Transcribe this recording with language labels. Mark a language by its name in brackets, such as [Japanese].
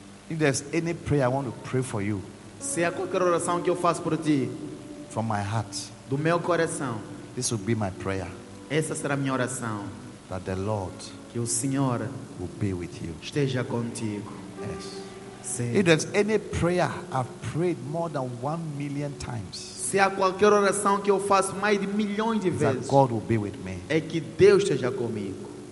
[English] If there's any prayer I want to pray for you. [Portuguese] Se há qualquer oração que eu faço por ti, [English] from my heart, [Portuguese] do meu coração, [English] this will be my prayer. [Portuguese] Essa será a minha oração. [English] That the Lord, [Portuguese] que o Senhor, [English] will be with you. [Portuguese] Esteja contigo. [English] Yes. [Portuguese] Sim. [English] If there's any prayer I've prayed more than 1 million times, [Portuguese] se há qualquer oração que eu faço mais de milhões de vezes, [English] that God will be with me. [Portuguese] É que Deus esteja comigo.